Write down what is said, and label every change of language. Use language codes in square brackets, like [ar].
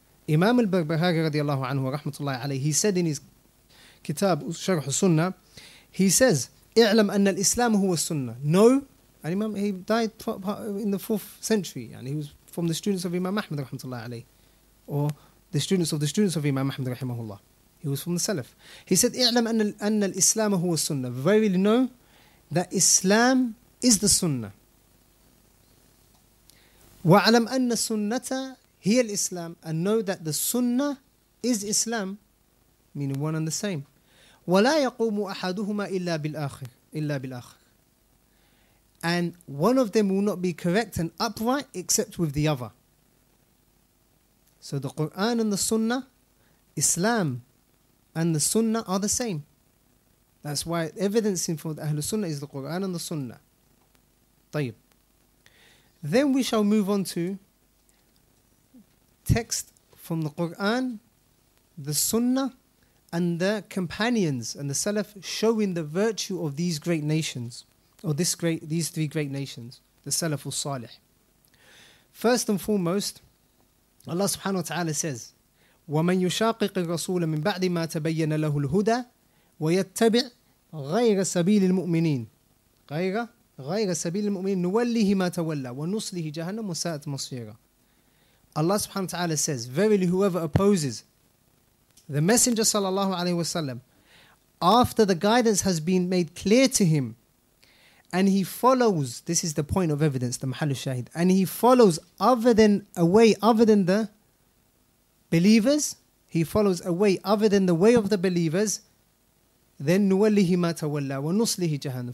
[en] Imam al-Barbahari radiallahu anhu wa rahmatullahi alayhi, he said in his kitab, Sharh Sunnah, he says, [ar] اعلم أن الإسلام هو السنة. [en] No. And Imam, he died in the 4th century. And he was from the students of Imam Ahmad rahmatullahi alayhi. Or the students of the students of Imam Ahmad rahimahullah. He was from the Salaf. He said, [ar] اعلم أن الإسلام هو السنة. [en] Verily know that Islam is the Sunnah. [ar] وعلم أن السنة هي الإسلام. [en] And know that the Sunnah is Islam. Meaning one and the same. [ar] ولا يقوم أحدهما إلا بالآخر. إلا بالآخر. [en] And one of them will not be correct and upright except with the other. So the Qur'an and the Sunnah, Islam and the Sunnah are the same. That's why evidencing for the Ahlul Sunnah is the Qur'an and the Sunnah. [ar] طيب. [en] Then we shall move on to text from the Qur'an, the Sunnah and the companions and the Salaf showing the virtue of these great nations, or these three great nations, the Salaf al-Salih. [ar] First and foremost, [en] Allah subhanahu wa ta'ala says, وَمَنْ يُشَاقِقِ الرَّسُولَ مِنْ بَعْدِ مَا تَبَيَّنَ لَهُ الْهُدَى وَيَتَّبِعْ غَيْرَ سَبِيلِ الْمُؤْمِنِينَ غَيْرَ سَبِيلِ الْمُؤْمِنِينَ نُوَلِّهِ مَا تَوَلَّى وَنُصْلِهِ جَهَنَّمُ وَسَاءَتْ مَصِيرًا. Allah subhanahu wa ta'ala says, verily whoever opposes the Messenger sallallahu alaihi wasallam, after the guidance has been made clear to him, and he follows, this is the point of evidence, the Mahal al-Shahid, and he follows other than a way, other than the believers, he follows a way other than the way of the believers, then [ar] نُوَلِّهِ مَا تَوَلَّى وَنُصْلِهِ جَهَنَّمَ.